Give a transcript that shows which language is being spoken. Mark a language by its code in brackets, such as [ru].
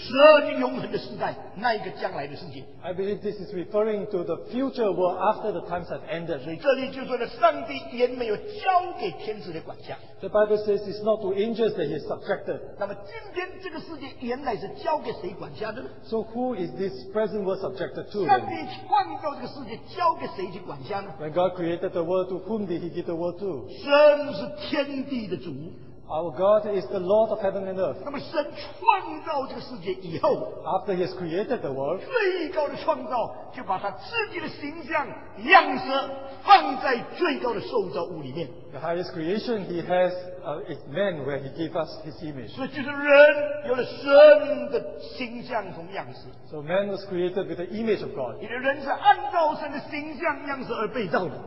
[zh] 这里是指未来这个世代结束以后十二年永恒的世代那一个将来的世界。 [en] I believe this is referring to the future world after the times have ended. [zh] 所以这里就说的上帝 也没有交给天使的管辖。 [en] The Bible says it's not to angels that he is subjected. [zh] 那么今天这个世界原来是交给谁管辖的呢? [en] So who is this present world subjected to? [zh] 上帝创造这个世界交给谁去管辖呢? [en] When God created the world, to whom did he give the world to? [zh] 神是天地的主。 [en] Our God is the Lord of heaven and earth. [zh] 那么神创造这个世界以后, [en] after he has created the world, [zh] 最高的创造, 就把他自己的形象样式, 放在最高的受造物里面。 [en] The highest creation he has is man, where he gave us his image. [zh] 所以就是人有了神的形象和样式。 [en] So man was created with the image of God. [zh] 你的人是按照神的形象样式而被造的。